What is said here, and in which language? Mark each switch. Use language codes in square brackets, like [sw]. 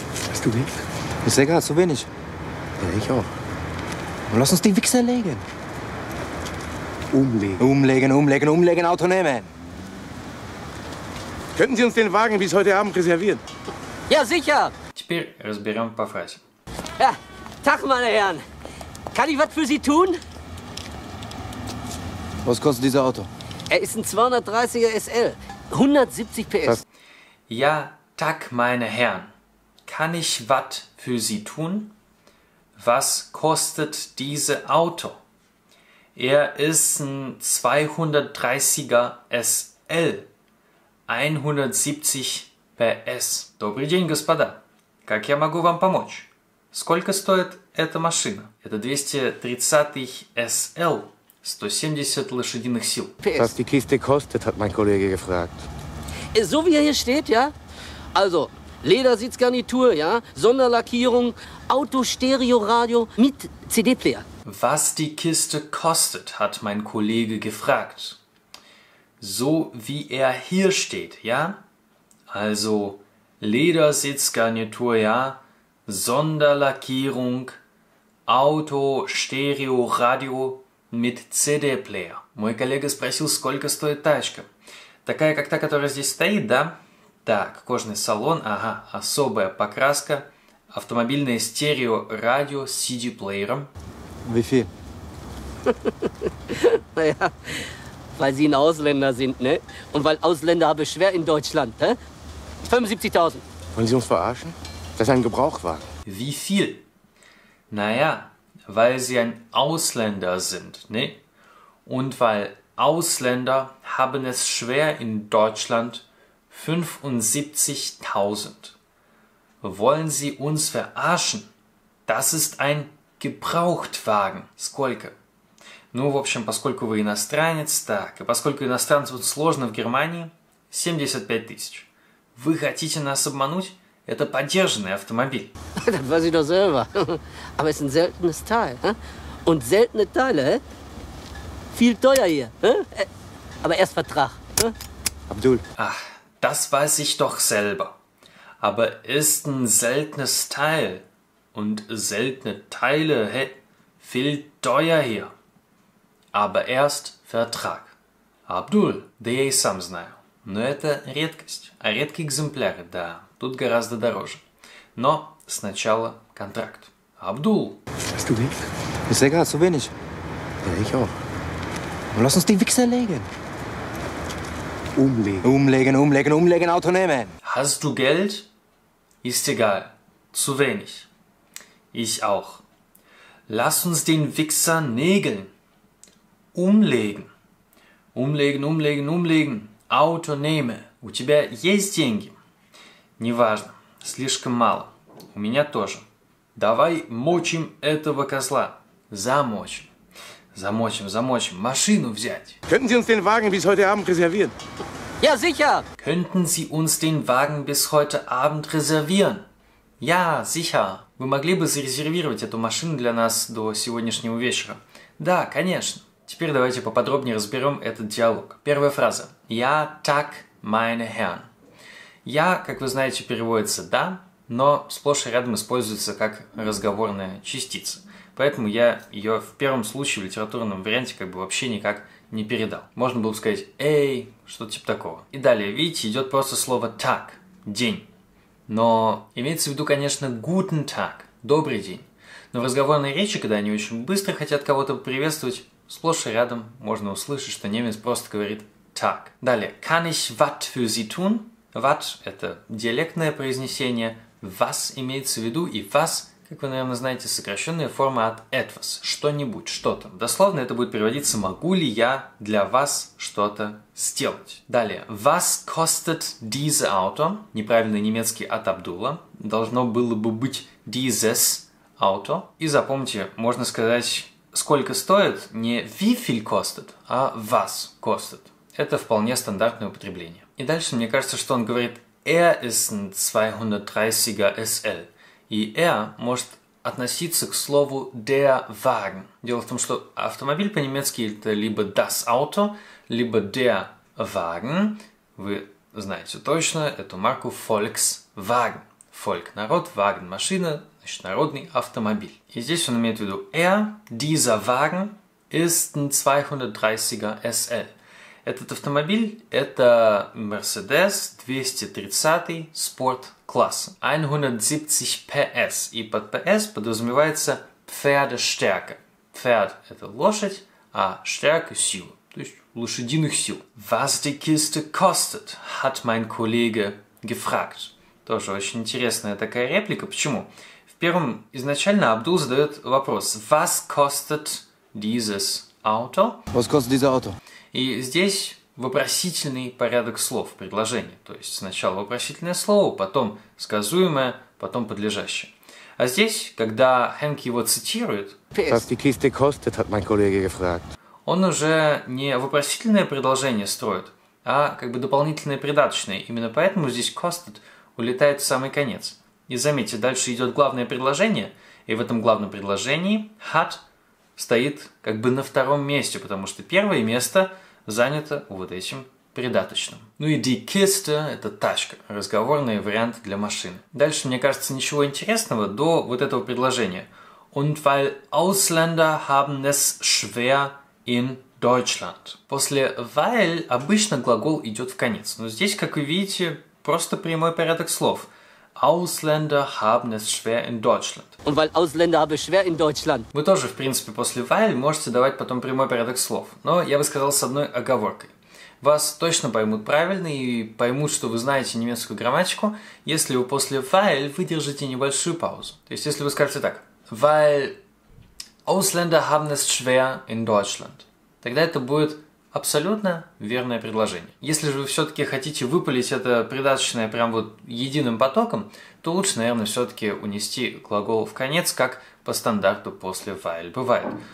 [de] Hast du weg? Ist egal, zu wenig. Ja, ich auch. Und lass uns die Wichser legen. Umlegen. Umlegen, umlegen, umlegen, Auto nehmen. Könnten Sie uns den Wagen bis heute Abend reservieren? Ja, sicher. [ru] Теперь разберем по фразе. [de] Ja, Tag, meine Herren. Kann ich was für Sie tun? Was kostet dieser Auto? Er ist ein 230er SL, 170 PS. Ja, tak, meine Herren. Kann ich was für Sie tun? Was kostet dieses Auto? Er ist ein 230er SL, 170 PS. [ru] Добрый день, господа. Как я могу вам помочь? Сколько стоит эта машина? Это 230 SL. 170 лошадиных сил. [de] Was die Kiste kostet, hat mein Kollege gefragt. So wie er hier steht, ja? Also, Ledersitzgarnitur, ja? Sonderlackierung, Auto, Stereo, Radio mit CD-Player. Was die Kiste kostet, hat mein Kollege gefragt. So wie er hier steht, ja? Also, Ledersitzgarnitur, ja? Sonderlackierung, Auto, Stereo, Radio mit CD-Player. [ru] Мой коллега спросил, сколько стоит тачка. Такая, как та, которая здесь стоит, да? Так, кожный салон, ага, особая покраска, автомобильное стерео, радио с CD-плеером. [de] Wie viel? Naja, weil Sie ein Ausländer sind, ne? Und weil Ausländer habe ich schwer in Deutschland, ne? 75.000. Wollen Sie uns verarschen? Das ist ein Gebrauchtwagen. Wie viel? Naja, weil sie ein Ausländer sind, ne? Und weil Ausländer haben es schwer in Deutschland, 75.000. Wollen sie uns verarschen? Das ist ein Gebrauchtwagen. [ru] Сколько? Ну, в общем, поскольку вы иностранец, так, и поскольку иностранцу сложно в Германии, 75.000. Вы хотите нас обмануть? Это подержанный автомобиль. [de] Das weiß ich doch selber. Aber es ist ein seltenes Teil. Und seltene Teile, viel teuer hier. Aber erst Vertrag. Abdul. Ach, das weiß ich doch selber. Aber ist ein seltenes Teil. Und seltene Teile, viel teuer hier. Aber erst Vertrag. [ru] Abdul, да я и сам знаю. Но это редкость. А редкий экземпляр, да. Тут гораздо дороже. Но сначала контракт. Абдул. [de] Hast du weg? Ist egal, zu wenig. Ja, ich auch. Und lass uns die Wichser legen. Umlegen. Umlegen, umlegen, umlegen, Auto nehmen. Hast du Geld? Ist egal. Zu wenig. Ich auch. Lass uns den Wichser nägeln. Umlegen. Umlegen, umlegen, umlegen. Auto nehmen. [ru] У тебя есть деньги? Неважно, слишком мало. У меня тоже. Давай мочим этого козла. Замочим. Замочим, замочим. Машину взять. [de] Könnten Sie uns den Wagen bis heute Abend reservieren? Ja, sicher. Könnten Sie uns den Wagen bis heute Abend reservieren? Ja, sicher. [ru] Вы могли бы зарезервировать эту машину для нас до сегодняшнего вечера? Да, конечно. Теперь давайте поподробнее разберем этот диалог. Первая фраза. [de] Ja, tak, meine Herren. [ru] «Я», как вы знаете, переводится «да», но сплошь и рядом используется как разговорная частица. Поэтому я ее в первом случае в литературном варианте как бы вообще никак не передал. Можно было бы сказать «эй», что-то типа такого. И далее, видите, идет просто слово «так», «день». Но имеется в виду, конечно, [de] «guten Tag», [ru] «добрый день». Но в разговорной речи, когда они очень быстро хотят кого-то приветствовать, сплошь и рядом можно услышать, что немец просто говорит «так». Далее, [de] «kann ich was für Sie tun?» [ru] «Was» — это диалектное произнесение, «was» имеется в виду, и «was», как вы, наверное, знаете, сокращенная форма от «etwas» — «что-нибудь», «что-то». Дословно это будет переводиться «могу ли я для вас что-то сделать?» Далее, [de] «was kostet diese Auto?» [ru] — неправильный немецкий от Абдула, должно было бы быть «dieses Auto». И запомните, можно сказать «сколько стоит?» [de] — не «wie viel kostet?», а «was kostet?». [ru] Это вполне стандартное употребление. И дальше мне кажется, что он говорит [de] «er ist ein 230er SL». [ru] И «er» может относиться к слову «der Wagen». Дело в том, что автомобиль по-немецки это либо «das Auto», либо «der Wagen». Вы знаете точно эту марку «Volkswagen». «Volk» — народ, «Wagen» — машина, значит, народный автомобиль. И здесь он имеет в виду [de] «er, dieser Wagen ist ein 230er SL». [ru] Этот автомобиль — это Mercedes 230 спорт класс 170 PS. И под PS подразумевается Pferdestärke. Pferd — это лошадь, а Stärke — сила, то есть лошадиных сил. [de] Was die Kiste kostet, hat mein Kollege gefragt. [ru] Тоже очень интересная такая реплика. Почему? В первом изначально Абдул задает вопрос. [de] Was kostet dieses Auto? Was kostet dieses Auto? [ru] И здесь вопросительный порядок слов в предложении. То есть сначала вопросительное слово, потом сказуемое, потом подлежащее. А здесь, когда Хэнк его цитирует, [de] Was die Kiste kostet, hat mein Kollege gefragt. [ru] Он уже не вопросительное предложение строит, а как бы дополнительное придаточное. Именно поэтому здесь «kostet» улетает в самый конец. И заметьте, дальше идет главное предложение, и в этом главном предложении «hat» стоит как бы на втором месте, потому что первое место занято вот этим придаточным. Ну и die Kiste — это тачка, разговорный вариант для машины. Дальше, мне кажется, ничего интересного до вот этого предложения. [de] Und weil Ausländer haben es schwer in Deutschland. [ru] После weil обычно глагол идет в конец, но здесь, как вы видите, просто прямой порядок слов. [de] Ausländer haben es schwer in Deutschland. Und weil Ausländer haben es schwer in Deutschland. [ru] Вы тоже, в принципе, после weil можете давать потом прямой порядок слов. Но я бы сказал с одной оговоркой. Вас точно поймут правильно и поймут, что вы знаете немецкую грамматику, если вы после weil выдержите небольшую паузу. То есть, если вы скажете так. [de] Weil Ausländer haben es schwer in Deutschland. [ru] Тогда это будет абсолютно верное предложение. Если же вы все-таки хотите выпалить это придаточное прям вот единым потоком, то лучше, наверное, все-таки унести глагол в конец, как по стандарту после weil бывает.